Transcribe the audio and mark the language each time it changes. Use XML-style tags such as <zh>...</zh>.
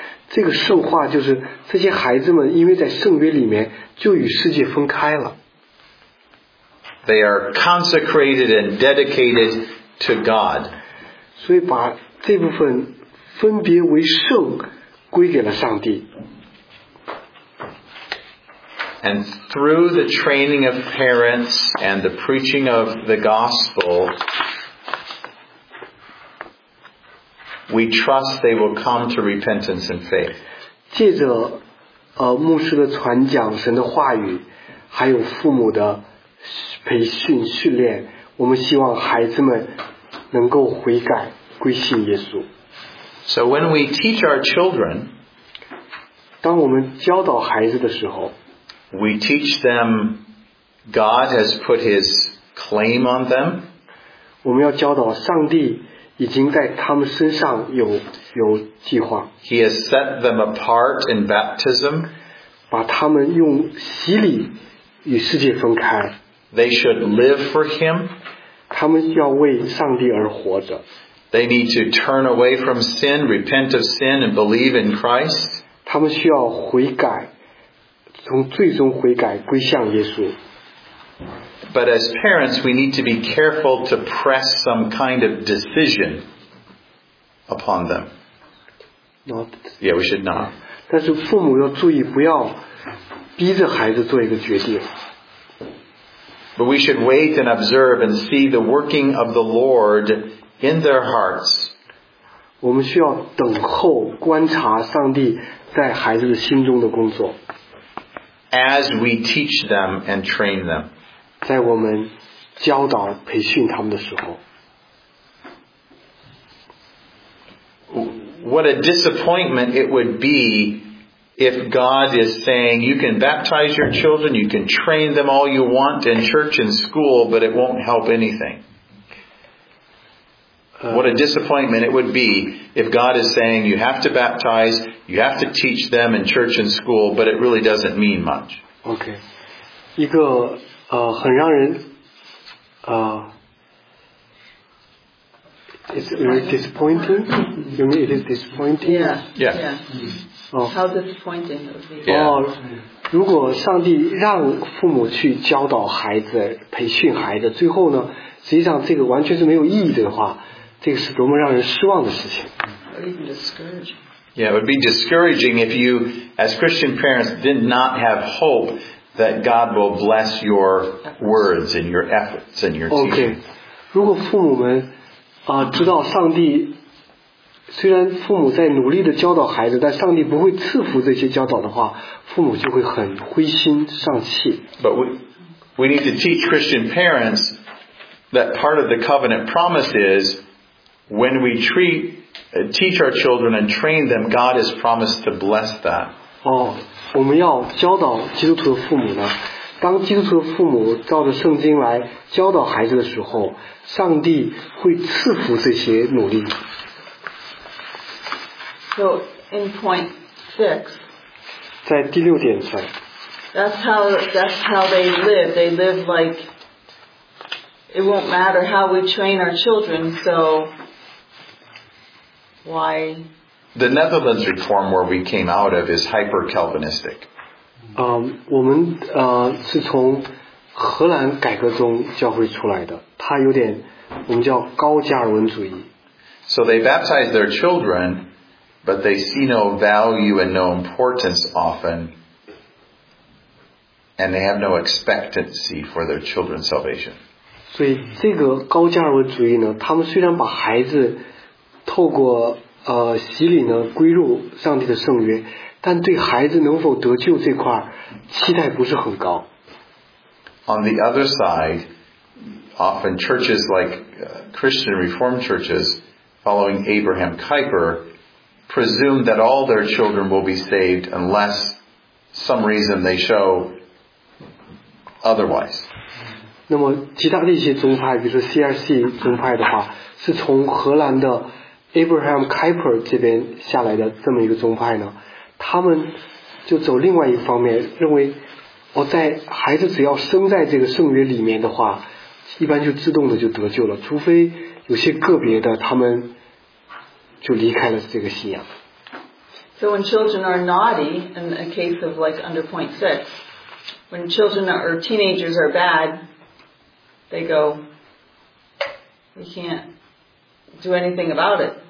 <zh>这个圣化就是这些孩子们因为在圣约里面就与世界分开了。</zh> <en>They are consecrated and dedicated to God.</en> <zh>所以把这部分分别为圣，归给了上帝。</zh> <en>And through the training of parents and the preaching of the gospel, we trust they will come to repentance and faith.</en> <zh>借着牧师的传讲、神的话语，还有父母的培训训练，我们希望孩子们能够悔改，归信耶稣。</zh> <en>So when we teach our children,</en> <zh>当我们教导孩子的时候,</zh> <en>we teach them God has put his claim on them.</en> <zh>我们要教导上帝已经在他们身上有计划。</zh> <en>He has set them apart in baptism.</en> <zh>把他们用洗礼与世界分开。</zh> <en>They should live for him.</en> <zh>他们要为上帝而活着。</zh> <en>They need to turn away from sin, repent of sin, and believe in Christ.</en> <zh>他们需要悔改，从最终悔改归向耶稣。</zh> <en>But as parents, we need to be careful to press some kind of decision upon them. Not. Yeah, we should not.</en> <zh>但是父母要注意，不要逼着孩子做一个决定。</zh> <en>But we should wait and observe and see the working of the Lord in their hearts.</en> <zh>我们需要等候观察上帝在孩子的心中的工作。</zh> <en>As we teach them and train them.</en> <zh>在我们教导培训他们的时候。</zh> <en>What a disappointment it would be if God is saying, you can baptize your children, you can train them all you want in church and school, but it won't help anything. What a disappointment it would be if God is saying, you have to baptize, you have to teach them in church and school, but it really doesn't mean much. Okay.</en> <zh>一个很让人</zh> <en>It's very disappointing. You mean it is disappointing? Yeah. How disappointing it would be. Yeah.</en> <zh>如果上帝让父母去教导孩子、培训孩子，最后呢，实际上这个完全是没有意义的话，这个是多么让人失望的事情。</zh> <en>Or even discouraging. Yeah, it would be discouraging if you, as Christian parents, did not have hope that God will bless your words and your efforts and your teaching. Okay.</en> <zh>如果父母们知道上帝虽然父母在努力地教导孩子，但上帝不会赐福这些教导的话，父母就会很灰心丧气。</zh> <en>But we need to teach Christian parents that part of the covenant promise is when we teach our children and train them, God has promised to bless that.</en> <zh>我们要教导基督徒的父母呢，当基督徒的父母照着圣经来教导孩子的时候，上帝会赐福这些努力。</zh> <en>So in point six,</en> <zh>在第六点上。</zh> <en>That's how they live. They live like it won't matter how we train our children. So why? The Netherlands reform where we came out of is hyper Calvinistic.</en> <zh>我们是从荷兰改革中教会出来的，它有点我们叫高加尔文主义。</zh> <en>So they baptize their children, but they see no value and no importance often, and they have no expectancy for their children's salvation.</en> <zh>所以这个高加尔文主义呢，他们虽然把孩子透过洗礼呢归入上帝的圣约，但对孩子能否得救这块期待不是很高。</zh> <en>On the other side, often churches like Christian Reformed churches following Abraham Kuyper presume that all their children will be saved unless some reason they show otherwise.</en> <zh>那么其他的一些宗派，比如说 CRC 宗派的话，是从荷兰的 Abraham Kuyper 这边下来的这么一个宗派呢，他们就走另外一方面，认为在孩子只要生在这个圣约里面的话，一般就自动的就得救了，除非有些个别的他们就离开了这个信仰。</zh> <en>So when children are naughty, in a case of like under point six, when children or teenagers are bad, they go, they can't do anything about it.</en>